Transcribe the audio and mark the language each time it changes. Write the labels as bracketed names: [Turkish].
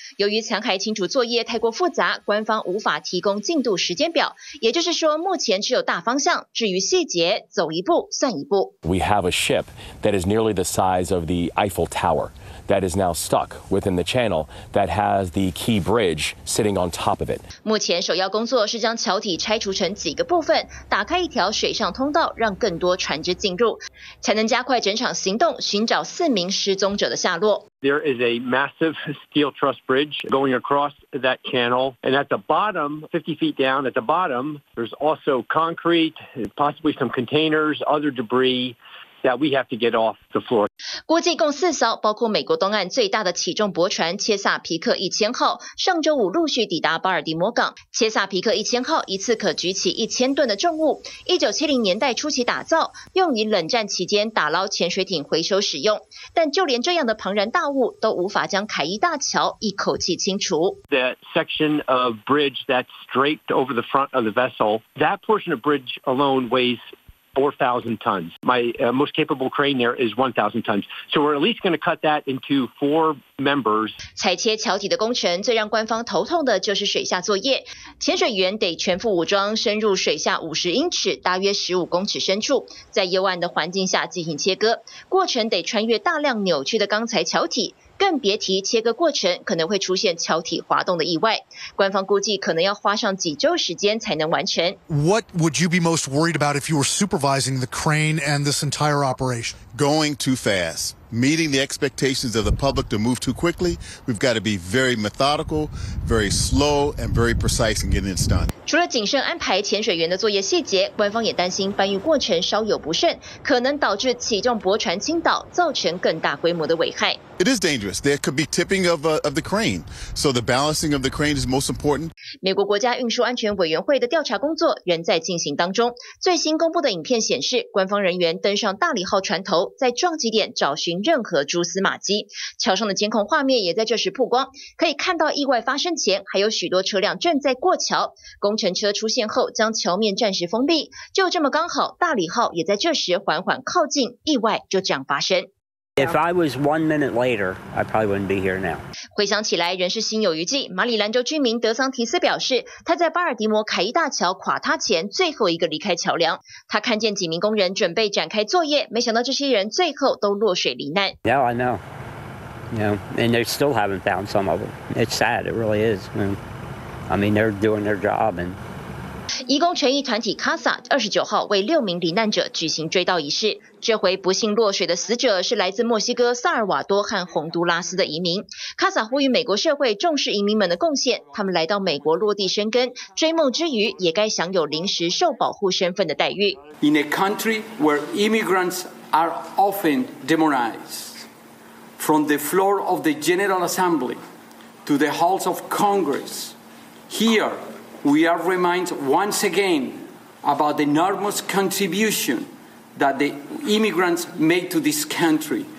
[Chinese] 由于残骸清除作业太过复杂，官方无法提供进度时间表。也就是说，目前只有大方向，至于细节，走一步算一步。 [English] We have a ship that is nearly the size of the Eiffel Tower that is now stuck within the channel that has the key bridge sitting on top of it. [Chinese] 目前首要工作是将桥体拆除成几个部分，打开一条水上通道，让更多船只进入，才能加快整场行动，寻找4名失踪者的下落。 [English] There is a massive steel truss bridge going across that channel. And at the bottom, 50 feet down at the bottom, there's also concrete, possibly some containers, other debris. that we have to get off the floor. [Chinese] 国际共四艘，包括美国东岸最大的起重驳船切萨皮克1000号，上周五陆续抵达巴尔的摩港。切萨皮克1000号一次可举起1000吨的重物，1970年代初期打造，用于冷战期间打捞潜水艇回收使用。但就连这样的庞然大物，都无法将凯伊大桥一口气清除。 [English] That section of bridge that's draped over the front of the vessel, that portion of bridge alone weighs 4,000 tons. My most capable crane there is 1,000 tons. So we're at least going to cut that into four members. [Chinese] 裁切桥底的工程最让官方头痛的就是水下作业。潜水员得全副武装深入水下50英尺，大约15公尺深处，在幽暗的环境下进行切割。过程得穿越大量扭曲的钢材桥体。更别提切割过程可能会出现桥体滑动的意外，官方估计可能要花上几周时间才能完成。 [English] What would you be most worried about if you were supervising the crane and this entire operation? Going too fast, meeting the expectations of the public to move too quickly. We've got to be very methodical, very slow, and very precise in getting this done. [Chinese] 除了谨慎安排潜水员的作业细节，官方也担心搬运过程稍有不慎，可能导致起重驳船倾倒，造成更大规模的危害。 [English] It is dangerous. There could be tipping of the crane. So the balancing of the crane is most important. [Chinese] 美国国家运输安全委员会的调查工作仍在进行当中。最新公布的影片显示，官方人员登上大理号船头，在撞击点找寻任何蛛丝马迹。桥上的监控画面也在这时曝光，可以看到意外发生前还有许多车辆正在过桥。工程车出现后将桥面暂时封闭。就这么刚好，大理号也在这时缓缓靠近，意外就这样发生。 [English] If I was 1 minute later, I probably wouldn't be here now. [Chinese] 回想起来仍是心有余悸。马里兰州居民德桑提斯表示，他在巴尔的摩凯伊大桥垮塌前最后一个离开桥梁。他看见几名工人准备展开作业，没想到这些人最后都落水罹难。 [English] Yeah, I know. Yeah, and they still haven't found some of them. It's sad. It really is. I mean, they're doing their job and. [Chinese] 移工权益团体 CASA 29号为6名罹难者举行追悼仪式。这回不幸落水的死者是来自墨西哥萨尔瓦多和洪都拉斯的移民。 CASA 呼吁美国社会重视移民们的贡献，他们来到美国落地生根，追梦之余也该享有临时受保护身份的待遇。 [English] In a country where immigrants are often demonized, from the floor of the General Assembly to the halls of Congress, here. We are reminded once again about the enormous contribution that the immigrants made to this country.